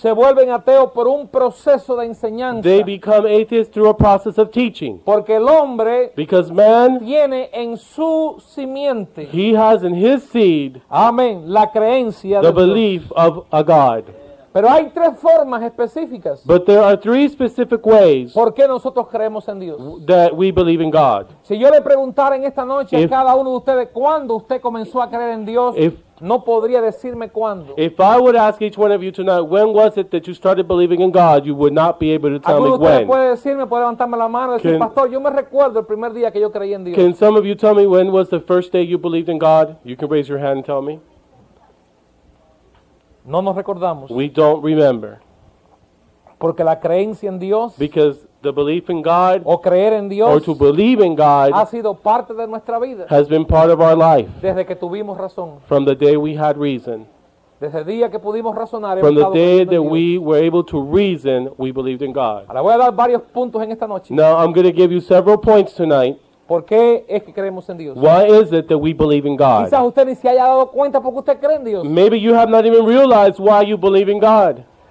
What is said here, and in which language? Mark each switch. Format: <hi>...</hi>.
<es>se vuelven ateos por un proceso de enseñanza.</es> <en>They become atheists through a process of teaching.</en> <es>Porque el hombre,</es> <en>because man,</en> <es>tiene en su simiente,</es> <en>he has in his seed,</en> <es>amen, la creencia,</es> <en>the belief of a God.</en> <es>Pero hay tres formas específicas.</es> <en>But there are three specific ways.</en> <es>¿Por qué nosotros creemos en Dios?</es> <en>That we believe in God.</en> <es>Si yo le preguntara en esta noche a cada uno de ustedes cuándo usted comenzó a creer en Dios, no podría decirme cuándo.</es> <en>If I would ask each one of you tonight, when was it that you started believing in God, you would not be able to tell me when.</en> <es>¿Alguno puede decirme, puede levantarme la mano y decir, pastor, yo me recuerdo el primer día que yo creí en Dios?</es> <en>Can some of you tell me when was the first day you believed in God? You can raise your hand and tell me.</en> <es>No nos recordamos.</es> <en>We don't remember.</en> <es>Porque la creencia en Dios,</es> <en>because the belief in God,</en> <es>o creer en Dios,</es> <en>or to believe in God,</en> <es>ha sido parte de nuestra vida,</es> <en>has been part of our life,</en> <es>desde que tuvimos razón,</es> <en>from the day we had reason,</en> <es>desde el día que pudimos razonar,</es> <en>from the day that we were able to reason, we believed in God.</en> <es>Ahora voy a dar varios puntos en esta noche.</es> <en>Now I'm going to give you several points tonight.</en> <es>¿Por qué es que creemos en Dios?</es> <en>Why is it that we believe in God?</en> <es>Quizás usted ni se haya dado cuenta porque usted cree en Dios.</es> <en>Maybe you have not even realized why you believe in God.</en>